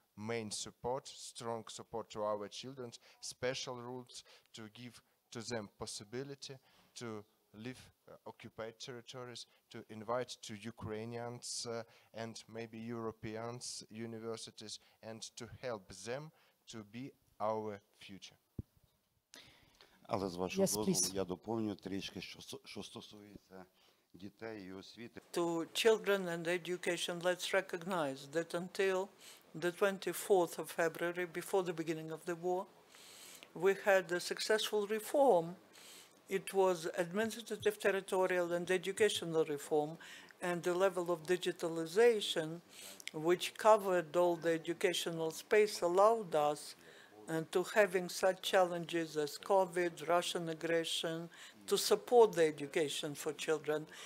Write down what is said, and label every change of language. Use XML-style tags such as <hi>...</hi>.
<en>main support, strong support to our children, special rules to give to them possibility to leave occupied territories, to invite to Ukrainians and maybe Europeans universities, and to help them to be our future.</en> <uk>Але з вашого дозволу я доповню трішки, що стосується дітей і освіти.</uk> <en>To children and education, let's recognize that until the 24th of February, before the beginning of the war, we had a successful reform. It was administrative, territorial and educational reform, and the level of digitalization, which covered all the educational space, allowed us and to having such challenges as COVID, Russian aggression, to support the education for children.</en>